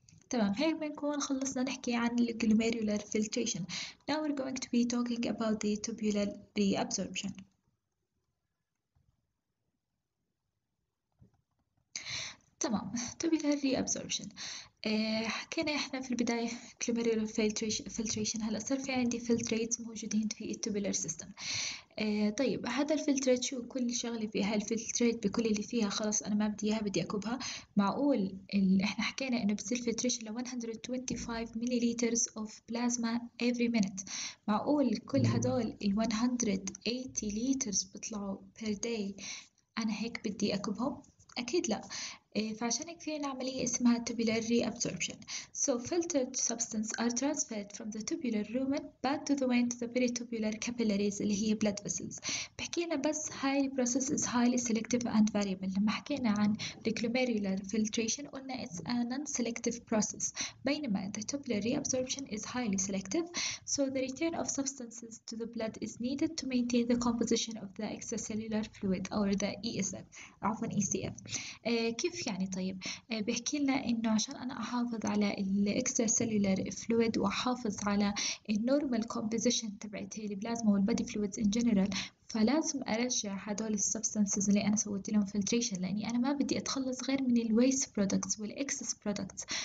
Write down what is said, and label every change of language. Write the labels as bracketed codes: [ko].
[ar] تمام، هيك بنكون خلصنا نحكي عن glomerular filtration. [en] Now we're going to be talking about the tubular reabsorption. [ar] تمام، tubular reabsorption حكينا احنا في البداية glomerular filtration، هلأ صار في عندي filtrates موجودين في tubular system. طيب هذا الفلترات شو كل شغلة فيها؟ الفلترات بكل اللي فيها خلاص أنا ما بدي إياها، بدي أكبها. معقول إحنا حكينا إنه بصير فلتريشن ل 125 مليليترز أوف بلازما [en] every minute، [ar] معقول كل هدول ال 180 ليترز بطلعوا per day أنا هيك بدي أكبهم؟ أكيد لأ. فعشان هيك في عملية اسمها tubular reabsorption. [en] So filtered substances are transferred from the tubular lumen back to the vein to the peritubular capillaries [ar] اللي هي [en] blood vessels. [ar] بحكينا بس هاي [en] process is highly selective and variable. [ar] لما حكينا عن [en] the glomerular filtration قلنا it's a non-selective process، [ar] بينما [en] the tubular reabsorption is highly selective. So the return of substances to the blood is needed to maintain the composition of the extracellular fluid or the ESF. [ar] عفوا ECF. كيف يعني؟ طيب بيحكي لنا انه عشان انا احافظ على الاكسترا سيلولار فلويد واحافظ على النورمال كومبوزيشن تبعت هي البلازما والبادي فلويدز ان جنرال، فلازم ارجع هدول السبستنسز اللي انا سويت لهم فلتريشن، لاني انا ما بدي اتخلص غير من الويست برودكتس والاكسس برودكتس.